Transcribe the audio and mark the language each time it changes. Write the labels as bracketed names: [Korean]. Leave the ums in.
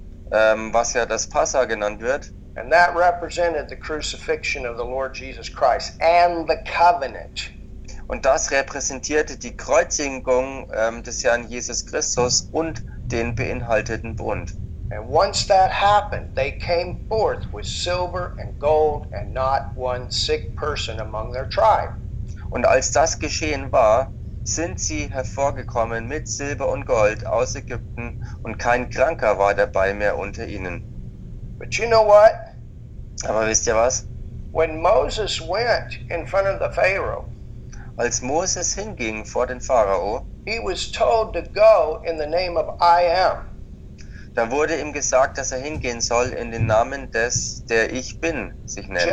[German] Ähm, was ja das Passa genannt wird. [English] And that represented the crucifixion of the Lord Jesus Christ and the covenant. [German] Und das repräsentierte die Kreuzigung ähm, des Herrn Jesus Christus und den beinhalteten Bund. [English] And once that happened, they came forth with silver and gold and not one sick person among their tribe. [German] Und als das geschehen war, sind sie hervorgekommen mit Silber und Gold aus Ägypten und kein Kranker war dabei mehr unter ihnen. [English] But you know what? [German] Aber wisst ihr was? [English] When Moses went in front of the Pharaoh, [German] als Moses hinging vor den Pharao, [English] he was told to go in the name of I am. [German] Da wurde ihm gesagt, dass er hingehen soll in den Namen des, der ich bin, sich nennen.